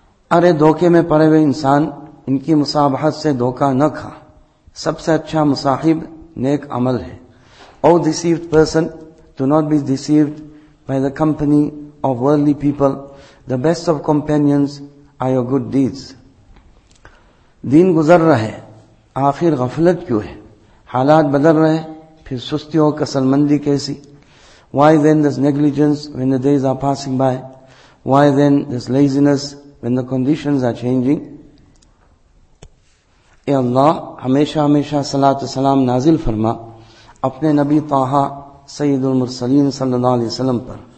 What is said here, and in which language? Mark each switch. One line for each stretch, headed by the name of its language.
Urdu: ارے دھوکے میں پڑے ہوئے انسان, ان کی مصابحت سے دھوکہ نہ کھا. سب سے اچھا مصاحب نیک عمل ہے.
English: O deceived person, do not be deceived by the company of worldly people. The best of companions are your good deeds.
Urdu: دین گزر رہے آخر غفلت کیوں ہے, حالات بدل رہے پھر سستی اور کسل مندی کیسی.
English: Why then this negligence when the days are passing by? Why then this laziness when the conditions are changing?
Urdu: اے اللہ ہمیشہ ہمیشہ صلاۃ السلام نازل فرما اپنے نبی طہٰ سید المرسلین صلی اللہ علیہ وسلم پر.